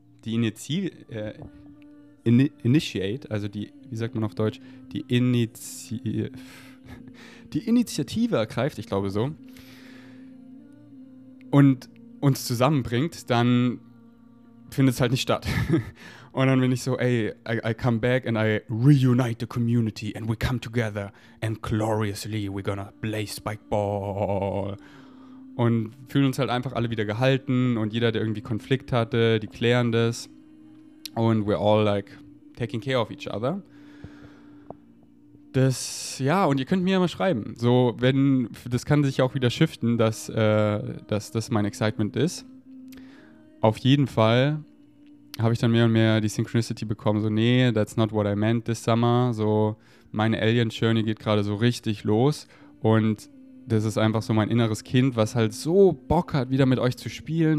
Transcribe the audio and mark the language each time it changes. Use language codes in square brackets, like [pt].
[de] die initiate, also die, wie sagt man auf Deutsch, die Initiative ergreift, ich glaube so, und uns zusammenbringt, dann findet es halt nicht statt. Und dann bin ich so, ey, [en] I come back and I reunite the community and we come together and gloriously we're gonna play Spikeball. [de] Und fühlen uns halt einfach alle wieder gehalten und jeder, der irgendwie Konflikt hatte, die klären das. [en] Und we're all like taking care of each other. [de] Das, ja, und ihr könnt mir ja mal schreiben. So, wenn, das kann sich auch wieder shiften, dass das mein Excitement ist. Auf jeden Fall habe ich dann mehr und mehr die Synchronicity bekommen, so, nee, [en] that's not what I meant this summer. [de] So, meine Alien-Journey geht gerade so richtig los und das ist einfach so mein inneres Kind, was halt so Bock hat, wieder mit euch zu spielen.